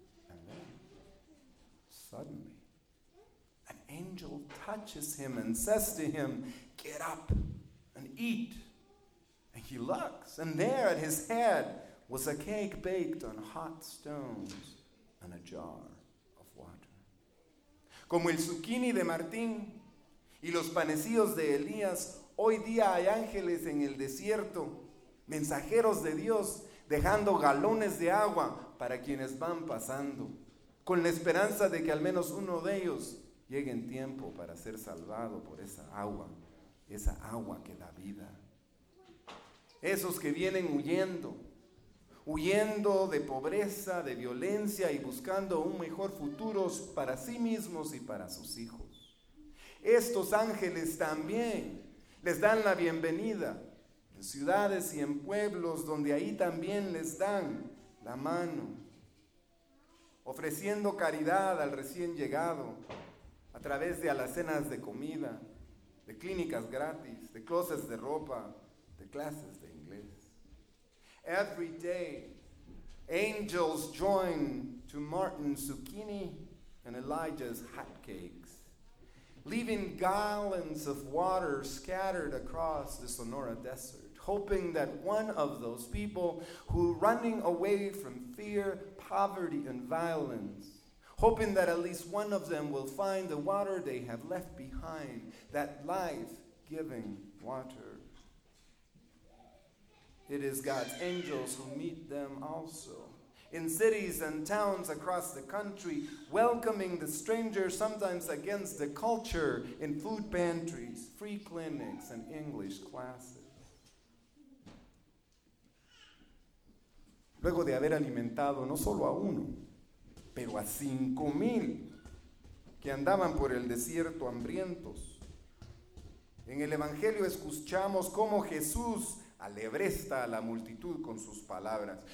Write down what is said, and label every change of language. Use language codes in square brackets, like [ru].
[en] And then, suddenly, an angel touches him and says to him, get up and eat. And he looks, and there at his head was a cake baked on hot stones and a jar of water. [es] Como el zucchini de Martín y los panecillos de Elías, hoy día hay ángeles en el desierto, mensajeros de Dios, dejando galones de agua para quienes van pasando, con la esperanza de que al menos uno de ellos llegue en tiempo para ser salvado por esa agua que da vida. Esos que vienen huyendo, huyendo de pobreza, de violencia y buscando un mejor futuro para sí mismos y para sus hijos. Estos ángeles también les dan la bienvenida en ciudades y en pueblos donde ahí también les dan la mano, ofreciendo caridad al recién llegado a través de alacenas de comida, de clínicas gratis, de closets de ropa, de clases de inglés. [en] Every day, angels join to Martin Zucchini and Elijah's hotcake, leaving gallons of water scattered across the Sonora desert, hoping that one of those people who are running away from fear, poverty, and violence, hoping that at least one of them will find the water they have left behind, that life-giving water. It is God's angels who meet them also, in cities and towns across the country, welcoming the stranger sometimes against the culture in food pantries, free clinics, and English classes. [es] Luego de haber alimentado no solo a uno, pero a 5,000 que andaban por el desierto hambrientos, en el Evangelio escuchamos cómo Jesús alebresta a la multitud con sus palabras.